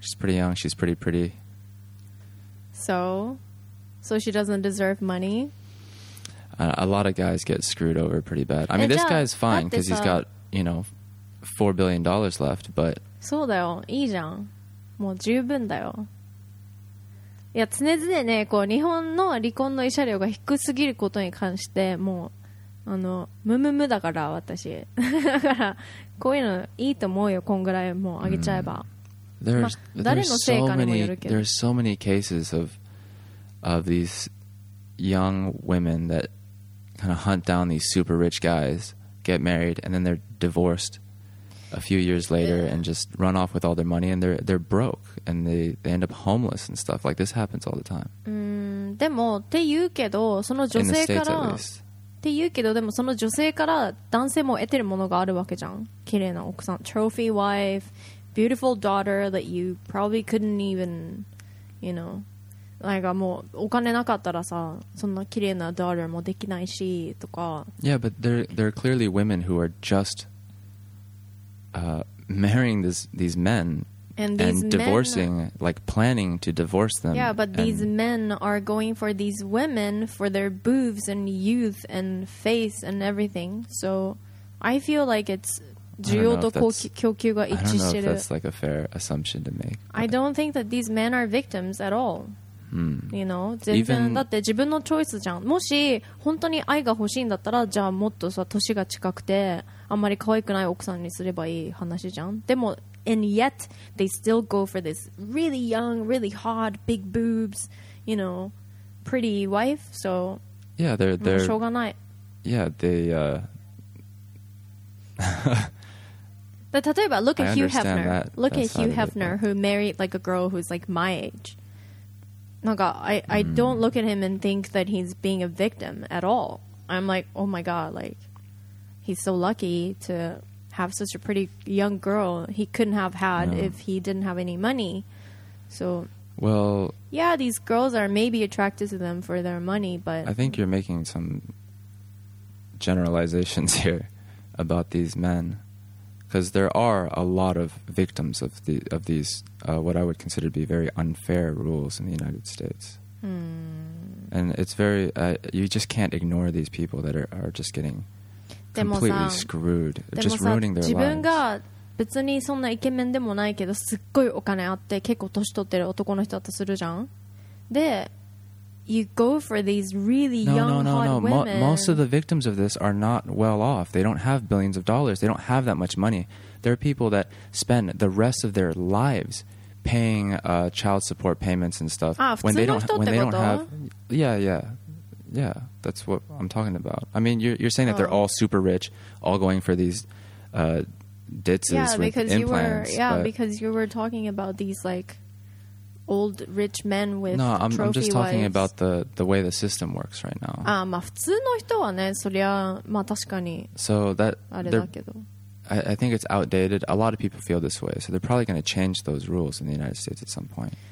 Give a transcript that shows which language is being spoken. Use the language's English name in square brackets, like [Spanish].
[English] She's pretty young. She's pretty pretty. So she doesn't deserve money? A lot of guys get screwed over pretty bad. I mean, this guy's fine because he's got, you know, $4 billion left, but... [Japanese] そうだよ。いいじゃん。もう十分だよ。いや、常々ね、こう、日本の離婚の慰謝料が低すぎることに関して、もう、あの、ムムムだから、私。だから、こういうのいいと思うよ。こんぐらいもう上げちゃえば。誰のせいかにもよるけど。 [English] There's so many cases of these young women that kind of hunt down these super rich guys, get married, and then they're divorced a few years later and just run off with all their money, and they're broke, and they end up homeless and stuff. Like, this happens all the time. [Japanese] でもって言うけど、その女性から。って言うけど、でもその女性から男性も得てるものがあるわけじゃん。綺麗な奥さん、 [English] trophy wife, beautiful daughter that you probably couldn't even, you know, [Japanese] なんかもうお金なかったらさ、そんな綺麗な [English] daughter [Japanese] もできないしとか。 [English] Yeah, but there are clearly women who are just marrying these men and divorcing, like planning to divorce them. Yeah, but these men are going for these women for their boobs and youth and face and everything. So I feel like it's [Japanese] 需要と供給が一致してる。 [English] I don't know if that's like a fair assumption to make. I don't think that these men are victims at all. Hmm. You know, 全然 Even... [Japanese] だって自分のチョイスじゃん。もし本当に愛が欲しいんだったら、じゃあもっとさ、年が近くてあんまり可愛くない奥さんにすればいい話じゃん。 [English] でもAnd yet, they still go for this really young, really hot, big boobs, you know, pretty wife. So, yeah, they're [Japanese] しょうがない. [English] Yeah, they, But 例えば look at Hugh Hefner. Look at Hugh Hefner who married like a girl who's like my age. なんか I don't look at him and think that he's being a victim at all. I'm like, oh my god, like he's so lucky to have such a pretty young girl he couldn't have had if he didn't have any money. So well, yeah, these girls are maybe attracted to them for their money, but I think you're making some generalizations here about these men. Because there are a lot of victims of the of these what I would consider to be very unfair rules in the United States, and it's very you just can't ignore these people that are just getting completely screwed, just ruining their lives. [Japanese] 自分が別にそんなイケメンでもないけど、すっごいお金あって結構年取ってる男の人だとするじゃん。 [English] で、you go for these really young, hot women. Most of the victims of this are not well off. They don't have billions of dollars. They don't have that much money. There are people that spend the rest of their lives paying child support payments and stuff. Ah, when they don't, when they don't have, yeah, yeah, yeah. That's what I'm talking about. I mean, you're saying that they're all super rich, all going for these ditzes with implants. Because you were talking about these like old rich men with trophy wives. No, I'm just talking about the way the system works right now. [Japanese] Ah, まあ普通の人はね、そりゃまあ確かに。 [English] So that [Japanese] あれだけど。 [English] I think it's outdated. A lot of people feel this way, so they're probably going to change those rules in the United States at some point.